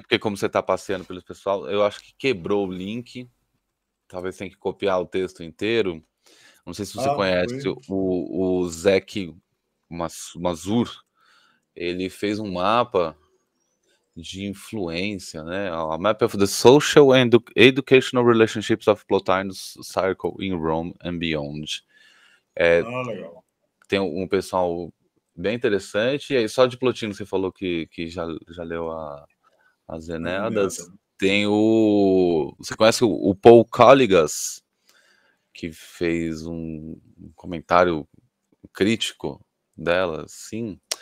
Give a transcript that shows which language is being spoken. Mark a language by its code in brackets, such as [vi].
[pt] Porque como você está passeando pelo pessoal, eu acho que quebrou o link. Talvez tenha que copiar o texto inteiro. Não sei se você conhece o Zeck. Mazur, ele fez um mapa de influência, né? [en] A map of the social and educational relationships of Plotino's circle in Rome and beyond. [pt] Legal. Tem um pessoal bem interessante. E aí, só de Plotino, você falou que já leu as Eneadas. Tem o... Você conhece o Paul Collegas, que fez um comentário crítico dela, sim.